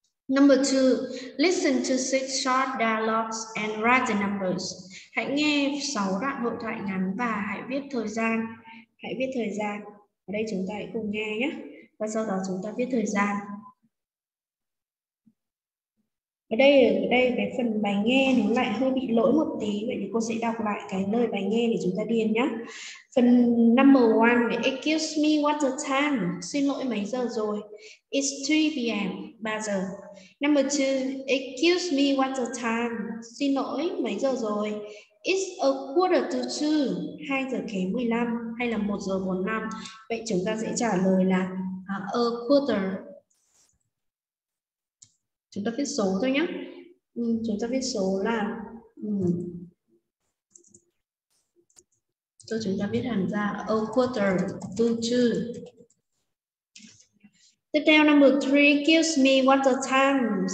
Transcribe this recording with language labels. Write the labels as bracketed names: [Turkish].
[English] Number 2, listen to 6 short dialogues and write the numbers. [Vietnamese] Hãy nghe 6 đoạn hội thoại ngắn và hãy viết thời gian. Hãy viết thời gian. Ở đây chúng ta hãy cùng nghe nhé. Và sau đó chúng ta viết thời gian. Ở đây cái phần bài nghe nó lại hơi bị lỗi một tí, vậy thì cô sẽ đọc lại cái lời bài nghe để chúng ta điền nhé. [English] Phần number 1, excuse me, what's the time? [Vietnamese] Xin lỗi, mấy giờ rồi? [English] It's 3 p.m. [Vietnamese] 3 giờ. [English] Number 2, excuse me, what's the time? [Vietnamese] Xin lỗi, mấy giờ rồi? [English] It's a quarter to 2, [Vietnamese] 2 giờ kém 15 hay là 1 giờ 45. Vậy chúng ta sẽ trả lời là a quarter. Chúng ta viết số thôi nhé. Chúng ta viết số là Rồi chúng ta viết hẳn ra a quarter to 2. Tiếp theo [English] number 3, excuse me, what's the time?